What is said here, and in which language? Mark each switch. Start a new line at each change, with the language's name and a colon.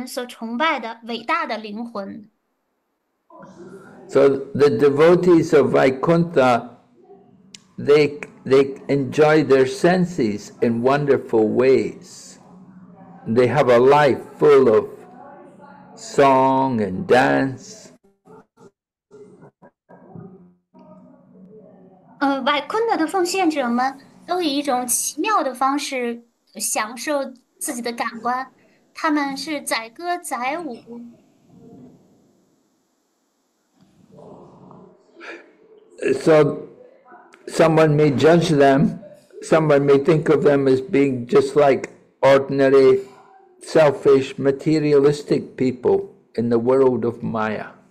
Chinese: 白昆塔的居民呢，好像是普通的物质感官享乐者，但是他们都是受到解脱的灵魂所崇拜的伟大的灵魂。
English: So the devotees of Vaikuntha, they enjoy their senses in wonderful ways. They have a life full of song and dance.
Chinese: Vaikuntha的奉献者们都以一种奇妙的方式享受自己的感官，他们是载歌载舞。
English: So someone may judge them, someone may think of them as being just like ordinary, selfish, materialistic people in the world of Maya.